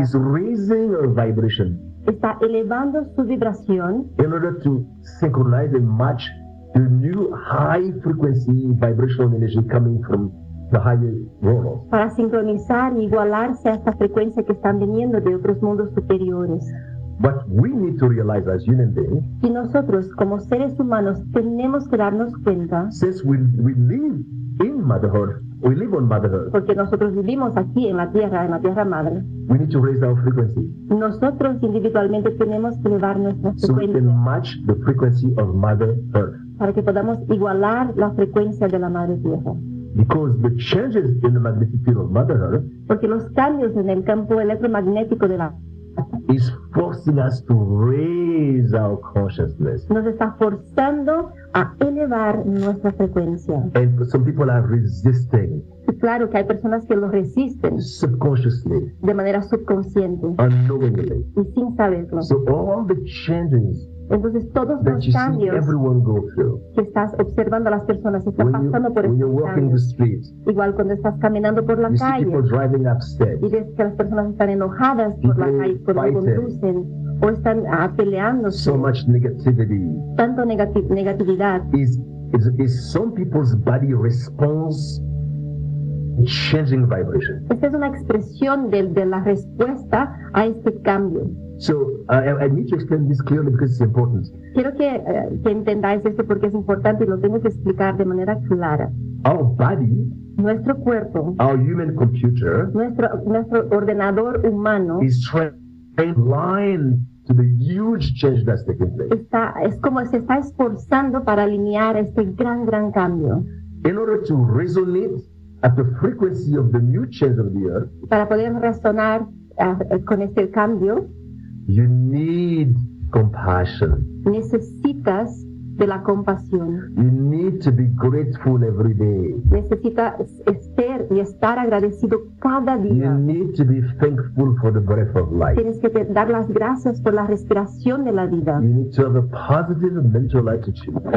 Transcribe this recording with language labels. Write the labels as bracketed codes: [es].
[en] is raising her vibration. [es] Está elevando su vibración. [en] In order to synchronize and match the new high frequency vibrational energy coming from the higher world. [es] Para sincronizar y igualarse a esta frecuencia que están viniendo de otros mundos superiores. [en] But we need to realize as human beings. [es] Y nosotros como seres humanos tenemos que darnos cuenta. [en] Since we live in Mother Earth. We live on Mother Earth. [es] Porque nosotros vivimos aquí en la tierra madre. [en] We need to raise our frequency. [es] Nosotros individualmente tenemos que elevar nuestra [en] so [es] frecuencia. [en] We can match the frequency of Mother Earth. [es] Para que podamos igualar la frecuencia de la madre tierra. [en] Because the changes in the magnetic field of Mother Earth. [es] Porque los cambios en el campo electromagnético de la [en] is forcing us to raise our consciousness. [es] Nos está forzando a elevar nuestra frecuencia. [en] And some people are resisting. [es] Claro que hay personas que lo resisten. [en] Subconsciously. [es] De manera subconsciente. [en] Unknowingly. [es] Y sin saberlo. [en] So all the changes. [es] Entonces todos los cambios que estás observando a las personas están pasando por estos cambios. Igual cuando estás caminando por la calle y ves que las personas están enojadas por la calle cuando conducen o están peleándose. [en] So much negativity. [es] Tanto negatividad. [en] Is some people's body response changing vibration? [es] Esta es una expresión de la respuesta a este cambio. [en] So I need to explain this clearly because it's important. [es] Quiero que entendáis esto porque es importante y lo tengo que explicar de manera clara. [en] Our body, [es] nuestro cuerpo, [en] our human computer, [es] nuestro ordenador humano, [en] is trying to the huge change that's taking place. [es] Está es como se está esforzando para alinear este gran cambio. [en] In order to resonate at the frequency of the new change of the earth. [es] Para poder resonar con este cambio. [en] You need compassion. [es] Necesitas de la compasión. [en] You need to be grateful every day. [es] Necesitas ser y estar agradecido cada día. [en] You need to be thankful for the breath of life. [es] Tienes que dar las gracias por la respiración de la vida. [en] You need to have a positive mental attitude.